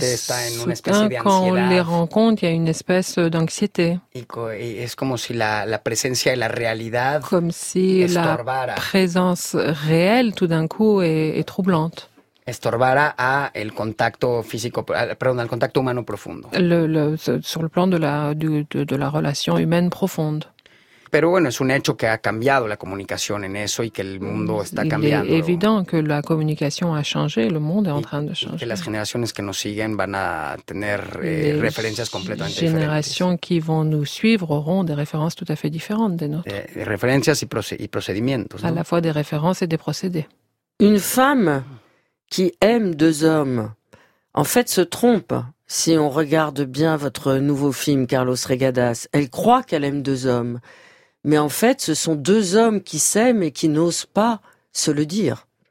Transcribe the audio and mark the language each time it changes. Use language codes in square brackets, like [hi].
[fr] soudain, quand on les rencontre, il y a une espèce d'anxiété. Et c'est comme si la présence et la réalité, comme si la présence réelle, tout d'un coup, est troublante. [es] Estorbara a el contacto físico, perdón, al contacto humano profundo. [fr] Sur le plan de la relation humaine profonde. [es] Pero bueno, es un hecho que ha cambiado la comunicación en eso y que el mundo está cambiando. [fr] Il est évident que la communication a changé, le monde est en train de changer. [es] Que las generaciones que nos siguen van a tener referencias completamente diferentes. [fr] Les générations qui vont nous suivre auront des références tout à fait différentes des nôtres. [es] De referencias y procedimientos. [fr] À la fois des références et des procédés. Une femme qui aime deux hommes, en fait, se trompe. Si on regarde bien votre nouveau film, Carlos Regadas, elle croit qu'elle aime deux hommes. Mais en fait, ce sont deux hommes qui s'aiment et qui n'osent pas se le dire.